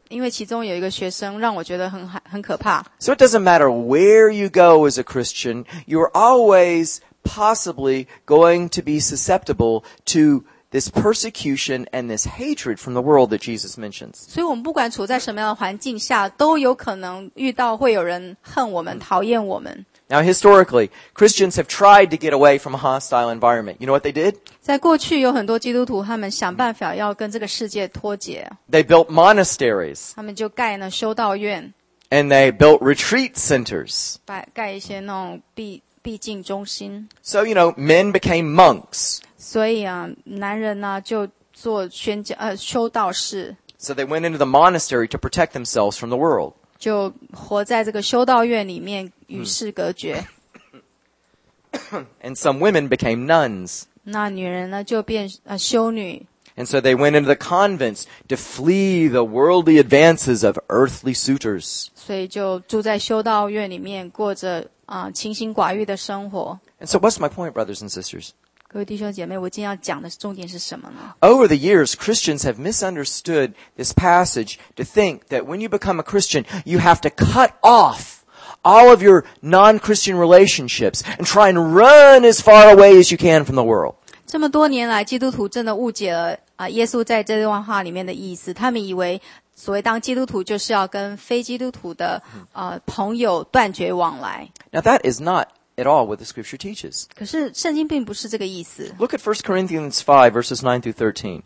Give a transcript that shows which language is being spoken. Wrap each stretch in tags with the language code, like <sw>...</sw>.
<zh>因为其中有一个学生让我觉得很可怕。</zh> <en>So it doesn't matter where you go as a Christian, you're always possibly going to be susceptible to this persecution and this hatred from the world that Jesus mentions.</en> <zh>所以我们不管处在什么样的环境下，都有可能遇到会有人恨我们，讨厌我们。</zh> <en>Now, historically, Christians have tried to get away from a hostile environment. You know what they did?</en> <zh>在过去有很多基督徒他们想办法要跟这个世界脱节。</zh> <en>They built monasteries.</en> <zh>他们就盖了修道院。</zh> <en>And they built retreat centers.</en> <zh>盖一些那种毕竟中心。</zh> <en>So, you know, men became monks.</en> <zh>所以啊，男人呢就做宣教修道士。</zh> <en>So they went into the monastery to protect themselves from the world.</en> <zh>就活在这个修道院里面与世隔绝。</zh> <en>And some women became nuns.</en> <zh>那女人呢就变修女。</zh> <en>And so they went into the convents to flee the worldly advances of earthly suitors.</en> <zh>所以就住在修道院里面过着清心寡欲的生活。</zh> <en>And so what's my point, brothers and sisters?</en> <zh>各位弟兄姐妹，我今天要讲的重点是什么呢？</zh> <en>Over the years, Christians have misunderstood this passage to think that when you become a Christian, you have to cut off all of your non-Christian relationships and try and run as far away as you can from the world.</en> <zh>这么多年来，基督徒真的误解了耶稣在这段话里面的意思。他们以为所谓当基督徒就是要跟非基督徒的朋友断绝往来。</zh> <en>Now that is not. At all, what the scripture teaches.</en> <zh>可是圣经并不是这个意思。</zh> <en>Look at 1 Corinthians 5, verses 9 through 13.</en>